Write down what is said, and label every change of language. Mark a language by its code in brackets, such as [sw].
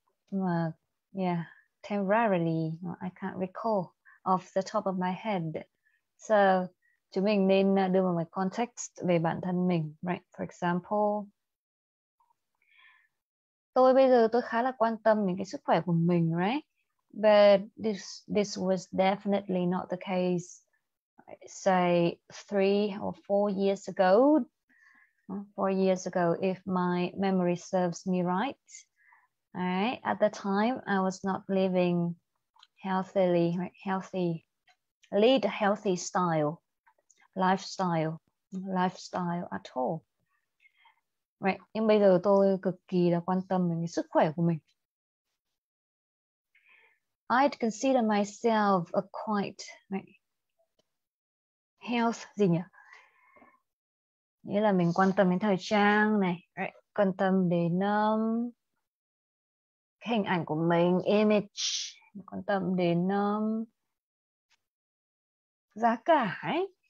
[en] Mà, yeah, temporarily, I can't recall off the top of my head. [vi] So, chúng mình nên đưa vào một context về bản thân mình, right? [en] For example, [vi] tôi bây giờ tôi khá là quan tâm đến cái sức khỏe của mình, right? [en] But this was definitely not the case, say, 3 or 4 years ago. 4 years ago, if my memory serves me right. All right. At the time, I was not living healthily, healthy, lead a healthy style, lifestyle at all. Right. [vi] Nhưng bây giờ tôi cực kỳ là quan tâm đến sức khỏe của mình. [en] I'd consider myself a quite, right, health [vi] gì nhỉ? Nghĩa là mình quan tâm đến thời trang này, right, quan tâm đến hình ảnh của mình, image, quan tâm đến giá cả, right?